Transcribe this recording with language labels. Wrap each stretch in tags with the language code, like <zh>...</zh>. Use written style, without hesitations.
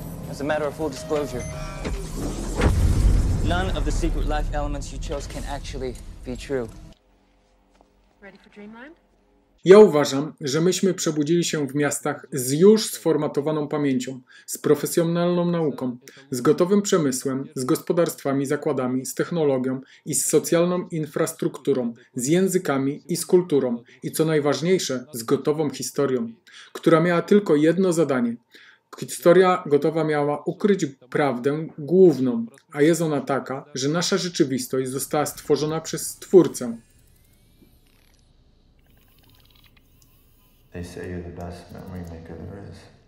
<en>As a matter of full disclosure, none of the secret life elements you chose can actually be true. Ready for dreamland?</en> <pl>Ja uważam, że myśmy przebudzili się w miastach z już sformatowaną pamięcią, z profesjonalną nauką, z gotowym przemysłem, z gospodarstwami, zakładami, z technologią i z socjalną infrastrukturą, z językami i z kulturą i co najważniejsze, z gotową historią, która miała tylko jedno zadanie. Historia gotowa miała ukryć prawdę główną, a jest ona taka, że nasza rzeczywistość została stworzona przez Stwórcę.</pl> <en>They say you're the best memory maker there is.</en>